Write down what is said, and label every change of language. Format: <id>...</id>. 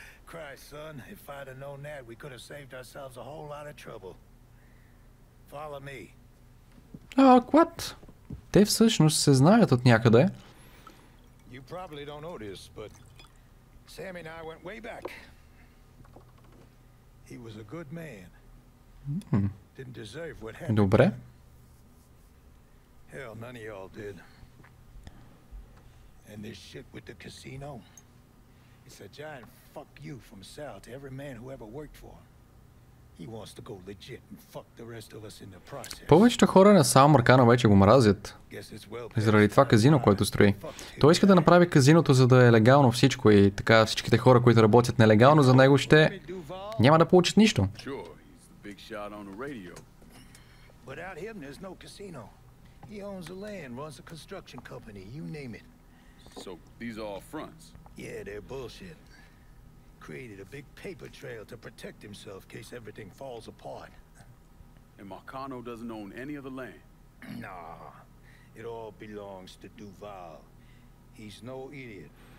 <en>Christ, son, if I'd have known that, we could have saved ourselves a whole lot of trouble. Follow me. Oh, what?</en> <bg>Те всъщност се знаят от някъде.</bg> <en>You probably don't know this, but Sammy and I went way back. He was a good man. Didn't deserve what happened.</en> <bg>Добре.</bg> <en>Hell, none of y'all did. And this shit with the casino. It's a giant fuck you from Sal to every man who ever worked for him. He wants to go legit and fuck the rest of us in the process.</en> <bg>Повечето хора на Сал Маркано вече го мразят. Заради това казино, което строи. Той иска да направи казиното, за да е легално всичко и така всичките хора, които работят нелегално за него, ще няма да получат нищо.</bg> <en>Big shot on the radio. Without him, there's no casino. He owns the land, runs a construction company, you name it. So these are all fronts? Yeah, they're bullshit. Created a big paper trail to protect himself in case everything falls apart. And Marcano doesn't own any of the land? Nah. It all belongs to Duval. He's no idiot.</en>